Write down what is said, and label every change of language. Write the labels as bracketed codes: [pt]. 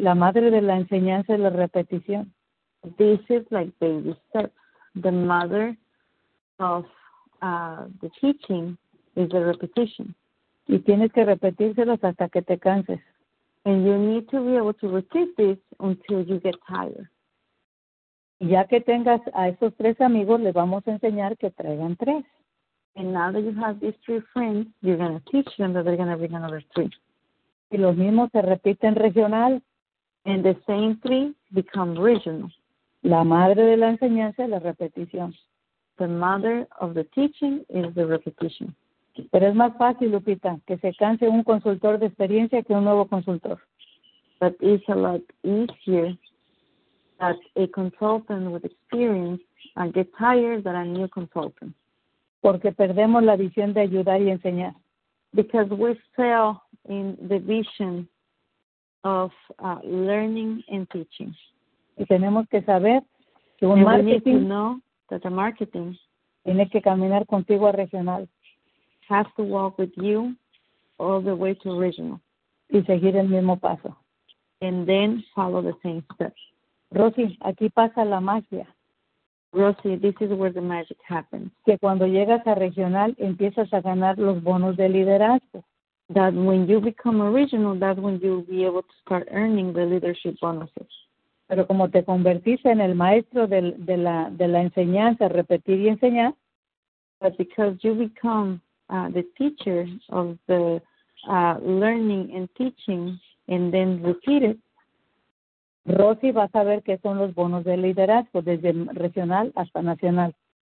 [es] La madre de la enseñanza es la repetición. [en] This is like baby steps. The mother of the teaching is the repetition. [es] Y tienes que repetírselos hasta que te canses. [en] And you need to be able to repeat this until you get tired. [es] Ya que tengas a esos 3 amigos, les vamos a enseñar que traigan 3. [en] And now that you have these 3 friends, you're going to teach them that they're going to bring another 3. [es] Y los mismos se repiten regional. [en] And the same 3 become regional. [es] La madre de la enseñanza es la repetición. [en] The mother of the teaching is the repetition. [es] Pero es más fácil, Lupita, que se canse un consultor de experiencia que un nuevo consultor. [en] But it's a lot easier that a consultant with experience and get tired than a new consultant. [es] Porque perdemos la visión de ayudar y enseñar. [en] Because we fail in the vision of learning and teaching. [es] Y tenemos que saber que un [en] and [es] marketing, [en] we need to know that the marketing [es] tiene que caminar contigo a regional. [en] Has to walk with you all the way to regional. [es] Y seguir el mismo paso. [en] And then follow the same steps. [es] Rosy, aquí pasa la magia. [en] Rosy, this is where the magic happens. [es] Que cuando llegas a regional, empiezas a ganar los bonos de liderazgo. [en] That when you become a regional, that's when you'll be able to start earning the leadership bonuses. [es] Pero como te convertiste en el maestro de la enseñanza, repetir y enseñar. [en] But because you become the teacher of the learning and teaching and then repeat it. [es] Rosy va a saber qué son los bonos de liderazgo desde regional hasta nacional.